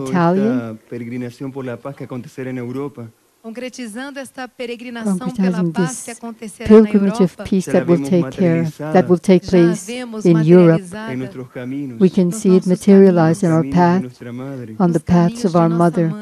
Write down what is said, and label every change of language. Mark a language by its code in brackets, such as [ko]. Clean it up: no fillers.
[es] Esta peregrinación por la paz que acontecerá en Europa. [pt] Concretizando esta peregrinação pela paz que acontecerá na Europa. [en] That will take care, that will take place in Europe. [es] En nuestros caminos. [en] We can see it materialize in our path, on the paths of our mother,